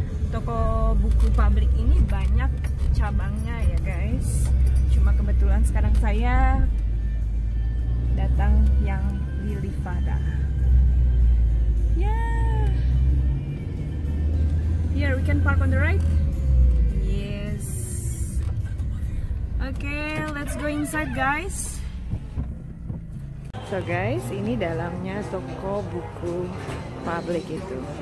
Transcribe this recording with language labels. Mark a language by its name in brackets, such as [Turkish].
[Indonesian] Toko buku Public ini banyak cabangnya ya guys, cuma kebetulan sekarang saya datang yang di Livada. Yeah. [English] Here we can park on the right. Yes. Okay, let's go inside guys. [Indonesian] So guys, ini dalamnya toko buku Public itu.